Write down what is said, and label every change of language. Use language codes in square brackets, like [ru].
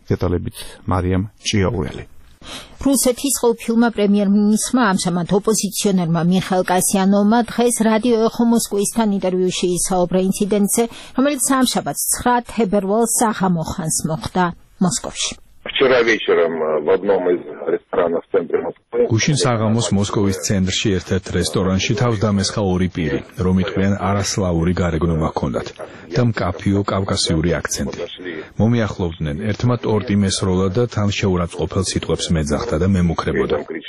[ka] დეტალებით მარიამ ჭიაურელი. რუსეთის ყოფილმა პრემიერ-მინისტრმა, ამჟამად ოპოზიციონერმა მიხეილ კასიანოვმა დღეს რადიო ეხო მოსკვისთან ინტერვიუში ისაუბრა ინციდენტზე, რომელიც სამშაბათს 9 თებერვალს საღამო ხანს მოხდა მოსკოვში. [ru] Вчера вечером в одном из ресторанов в центре Москвы. Гушин Сагамос [ka] Московის ცენტრში ერთ-ერთ რესტორანში თავს დამესხა ორი პირი, რომელთან არასლავური გარეგნობა ჰქონდათ და მკაფიო კავკასიური აქცენტი. მომიახლოვდნენ ერთმა ტორტი მესროლა და თან შეურაცხყოფელ სიტყვებს მეძახდა და მემუქრებოდა.